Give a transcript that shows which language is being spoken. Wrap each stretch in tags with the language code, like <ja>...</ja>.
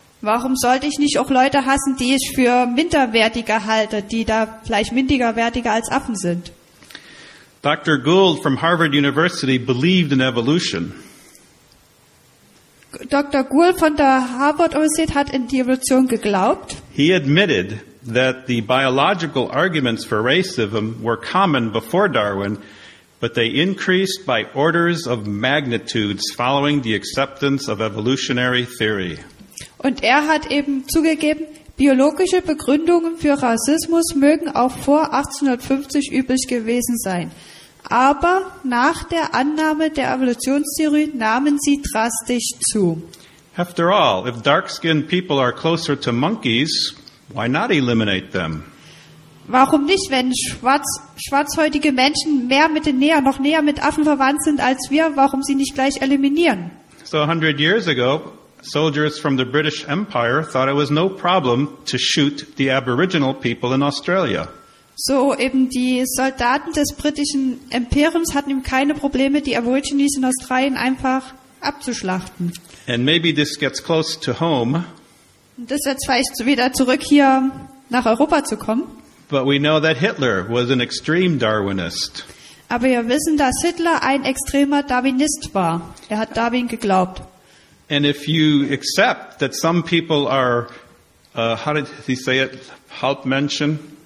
<de>Warum sollte ich nicht auch Leute hassen, die ich für minderwertiger halte, die da vielleicht minderwertiger als Affen sind?</de> <en>Dr. Gould from Harvard University believed in evolution.</en> <de>Dr. Gould von der Harvard Universität hat in die Evolution geglaubt.</de> <en>He admitted that the biological arguments for racism were common before Darwin, but they increased by orders of magnitudes following the acceptance of evolutionary theory.</en> <de>Und er hat eben zugegeben, biologische Begründungen für Rassismus mögen auch vor 1850 üblich gewesen sein. Aber nach der Annahme der Evolutionstheorie nahmen sie drastisch zu.</de> <en>After all, if dark-skinned people are closer to monkeys, why not eliminate them?</en> <de>Warum nicht, wenn schwarzhäutige Menschen näher mit Affen verwandt sind als wir, warum sie nicht gleich eliminieren?</de> <en>So 100 years ago, soldiers from the British Empire thought it was no problem to shoot the aboriginal people in Australia.</en> <de>So eben die Soldaten des britischen Imperiums hatten eben keine Probleme, die Aborigines in Australien einfach abzuschlachten.</de> <en>And maybe this gets close to home.</en> <de>Das jetzt vielleicht wieder zurück hier nach Europa zu kommen.</de> <en>But we know that Hitler was an extreme Darwinist.</en> <de>Aber wir wissen, dass Hitler ein extremer Darwinist war. Er hat Darwin geglaubt.</de> <en>And if you accept that some people are, how did he say it? Halbmenschen?</en>